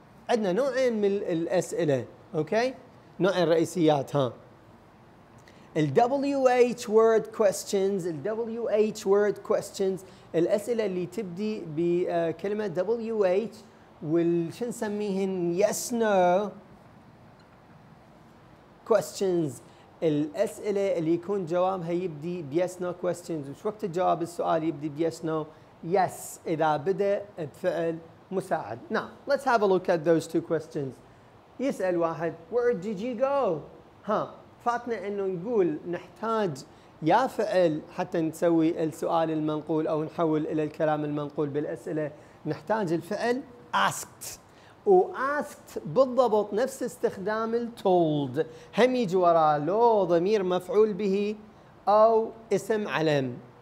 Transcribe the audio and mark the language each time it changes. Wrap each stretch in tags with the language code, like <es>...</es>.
<ar>عندنا نوعين من الاسئلة اوكي نوعين رئيسيات ها ال WH word questions ال WH word questions الاسئلة اللي تبدي بكلمة WH وشن نسميهن yes no questions، الأسئلة اللي يكون جوابها يبدي بيس نو questions، وش وقت الجواب السؤال يبدي بيس نو يس، إذا بدأ بفعل مساعد.</ar> <en>Now let's have a look at those two questions.</en> <ar>يسأل واحد</ar> <en>where did you go؟</en> <ar>ها فاتنا إنه نقول نحتاج يا فعل حتى نسوي السؤال المنقول أو نحول إلى الكلام المنقول بالأسئلة، نحتاج الفعل asked. و asked بالضبط نفس استخدام told، هم يجي وراء لو ضمير مفعول به أو اسم علم.</ar>